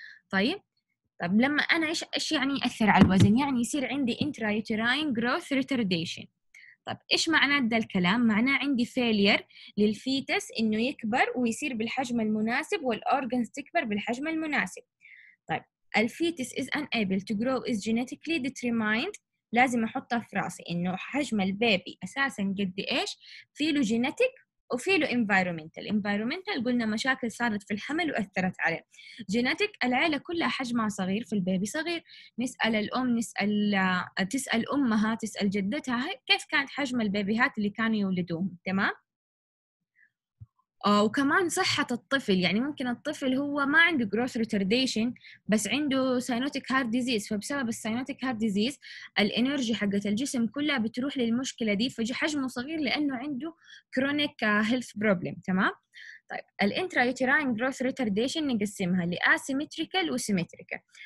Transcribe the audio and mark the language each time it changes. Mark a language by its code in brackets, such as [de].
[ar] طيب طب لما أنا إيش يعني يأثر على الوزن؟ يعني يصير عندي intrauterine growth retardation. طب ايش معنى ده الكلام؟ معناه عندي فيلير للفيتس انه يكبر ويصير بالحجم المناسب، والاورجنز تكبر بالحجم المناسب. طيب [en] A fetus is unable to grow is genetically determined. [ar] لازم أحطها في رأسي إنه حجم البيبي أساساً قد إيش فيه جينيتيك وفيه environmental. Environmental قلنا مشاكل صارت في الحمل وأثرت عليه. Genetic العيلة كلها حجمها صغير في البيبي صغير. نسأل الأم تسأل أمها تسأل جدتها كيف كانت حجم البيبي هات اللي كانوا يولدوهم تمام؟ وكمان صحة الطفل يعني ممكن الطفل هو ما عنده growth retardation بس عنده cyanotic heart disease فبسبب cyanotic heart disease الانرجي حقت الجسم كلها بتروح للمشكلة دي فحجمه صغير لأنه عنده chronic health problem تمام؟ طيب الانترايوتيراين growth retardation نقسمها لأسيمتريكال وسيمتريكال.